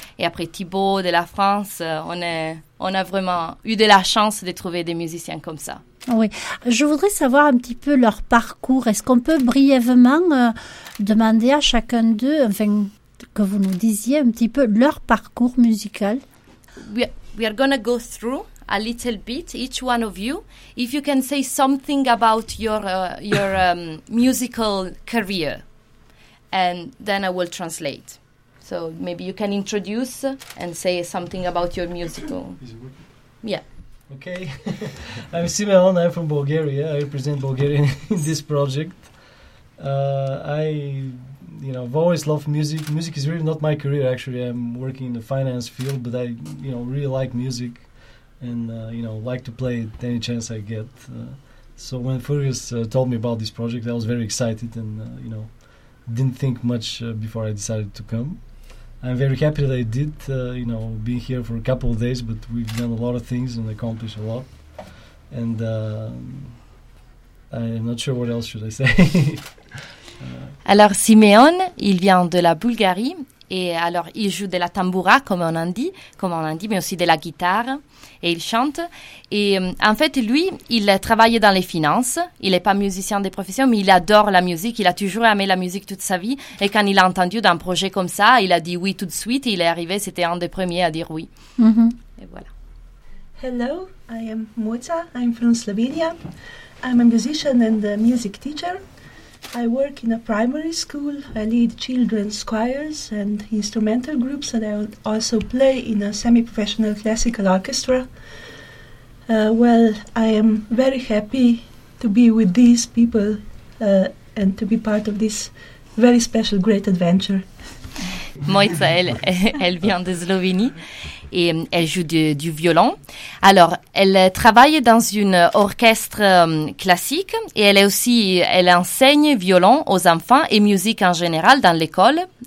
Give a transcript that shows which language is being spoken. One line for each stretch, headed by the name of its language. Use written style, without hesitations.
French: Et après Thibaut de la France. On a vraiment eu de la chance de trouver des musiciens comme ça. Oui. Je voudrais savoir un petit peu leur parcours. Est-ce qu'on peut brièvement demander à chacun d'eux, enfin, que vous nous disiez un petit peu leur parcours musical?
English: We are going to go through a little bit, each one of you. If you can say something about your musical career, and then I will translate. So maybe you can introduce and say something about your musical. Yeah. Okay. I'm Simeon. I'm from Bulgaria. I represent Bulgaria in this project. I've always loved music. Music is really not my career, actually. I'm working in the finance field, but I, you know, really like music and, like to play it any chance I get. So when Furious told me about this project, I was very excited and, didn't think much before I decided to come. I'm very happy that I did, being here for a couple of days, but we've done a lot of things and accomplished a lot. And I'm not sure what else should I say.
French: Alors, Siméon, il vient de la Bulgarie et alors il joue de la tamboura, comme on en dit, mais aussi de la guitare et il chante. Et en fait, lui, il travaille dans les finances. Il n'est pas musicien de profession, mais il adore la musique. Il a toujours aimé la musique toute sa vie. Et quand il a entendu d'un projet comme ça, il a dit oui tout de suite. Il est arrivé, c'était un des premiers à dire oui. Mm-hmm. Et voilà.
English: Hello, I am Mojca. I'm from Slovenia. I'm a musician and a music teacher. I work in a primary school, I lead children's choirs and instrumental groups, and I also play in a semi-professional classical orchestra. Well, I am very happy to be with these people and to be part of this very special, great adventure.
French: Mojca, elle vient de Slovénie et elle joue du violon. Alors, elle travaille dans un orchestre classique et elle enseigne violon aux enfants et musique en général dans l'école.